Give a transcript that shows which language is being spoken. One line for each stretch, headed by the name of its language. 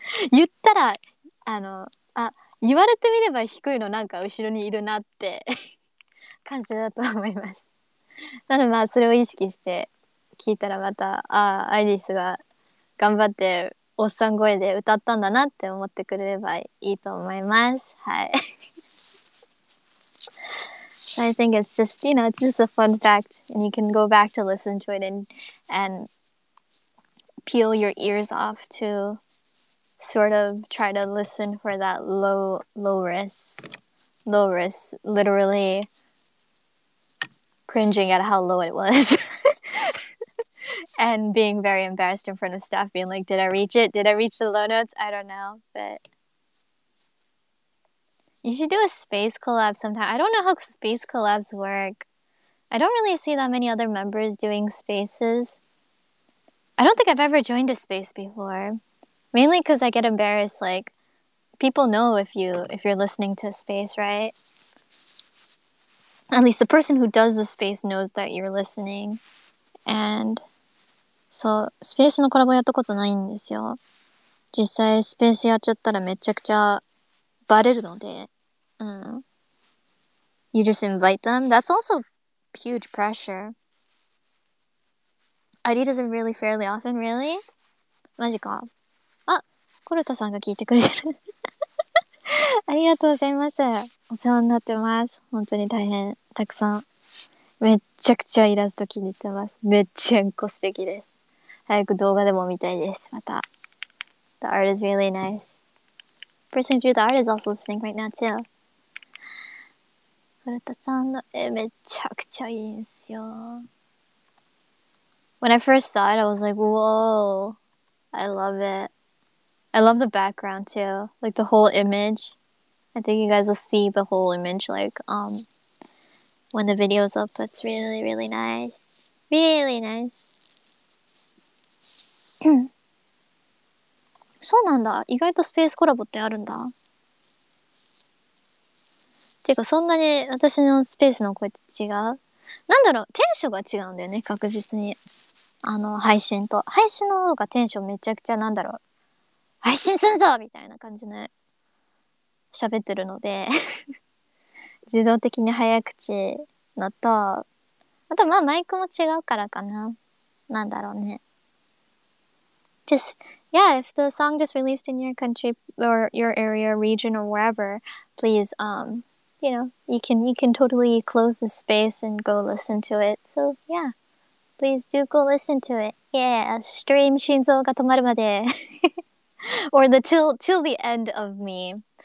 Japanese: 言ったら、あ、言われてみれば低いのなんか後ろにいるなって感じだと思います。なのでまあそれを意識して聞いたらまた、あ、アイリスが頑張って、おっさん声で歌ったんだなって思ってくれればいいと思います。はい。
English: I think it's just, you know, it's just a fun fact and you can go back to listen to it and peel your ears off to sort of try to listen for that low-ris, literally cringing at how low it was. And being very embarrassed in front of staff, being like, did I reach it? Did I reach the low notes? I don't know, but... You should do a space collab sometime. I don't know how space collabs work. I don't really see that many other members doing spaces. I don't think I've ever joined a space before. Mainly because I get embarrassed, like, people know if you're listening to a space, right? At least the person who does the space knows that you're listening. And...
Japanese: そう、スペースのコラボやったことないんですよ。実際スペースやっちゃったらめちゃくちゃバレるので。うん。
English: You just invite them? That's also huge pressure. ID doesn't really fairly often, really?
Japanese: マジか。あ、コルタさんが聞いてくれてる。ありがとうございます。お世話になってます。本当に大変、たくさん。めちゃくちゃイラスト気に入ってます。めっちゃんこ素敵です。早く動画でも見たいです。また。
English: The art is really nice. Person through the art is also listening right now too.
Japanese: コルタさんの絵めちゃくちゃいいんすよ。
English: When I first saw it, I was like, whoa! I love it. I love the background too. Like the whole image. I think you guys will see the whole image like, when the video's up. It's really, really nice. Really nice.
Japanese: そうなんだ。意外とスペースコラボってあるんだ。ていうか、そんなに私のスペースの声って違う？なんだろう、テンションが違うんだよね、確実に。配信と。配信の方がテンションめちゃくちゃなんだろう。配信すんぞみたいな感じで喋ってるので。自動的に早口のと、あとまあマイクも違うからかな。なんだろうね。
English: Just, yeah, if the song just released in your country or your area, region, or wherever, please, you know, you can totally close the space and go listen to it. So, yeah, please do go listen to it. Yeah, stream 心臓が止まるまで Or the till the end of me.